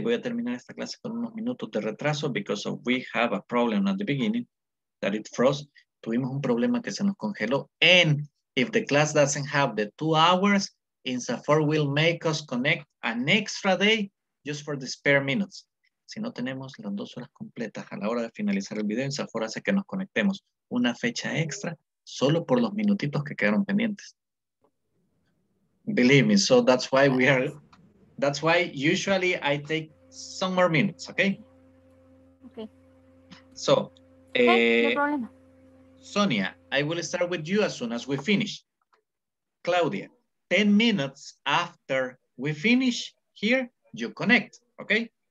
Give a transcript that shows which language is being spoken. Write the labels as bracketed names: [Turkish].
[Spanish] Voy a terminar esta clase con unos minutos de retraso [English] because of we have a problem at the beginning that it froze. [Spanish] Tuvimos un problema que se nos congeló. [English] And if the class doesn't have the 2 hours, INSAFORP will make us connect an extra day just for the spare minutes. [Spanish] Si no tenemos las 2 horas completas a la hora de finalizar el video, INSAFORP hace que nos conectemos una fecha extra solo por los minutitos que quedaron pendientes. [English] Believe me, so that's why we are, that's why usually I take some more minutes, okay? Okay. So, Sonia, I will start with you as soon as we finish. Claudia, 10 minutes after we finish here, you connect, okay?